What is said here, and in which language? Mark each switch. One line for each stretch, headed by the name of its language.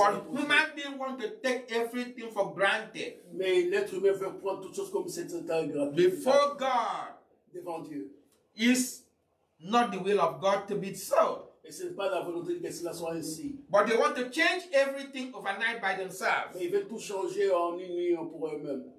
English: But human beings want to take everything for granted.
French: Mais l'être humain veut prendre toutes choses comme c'est un temps gratuit.
English: Before God,
French: devant Dieu,
English: is not the will of God to be so.
French: Et ce n'est pas la volonté que cela soit ainsi.
English: But they want to change everything overnight by themselves.
French: Mais ils veulent tout changer en une nuit pour eux-mêmes.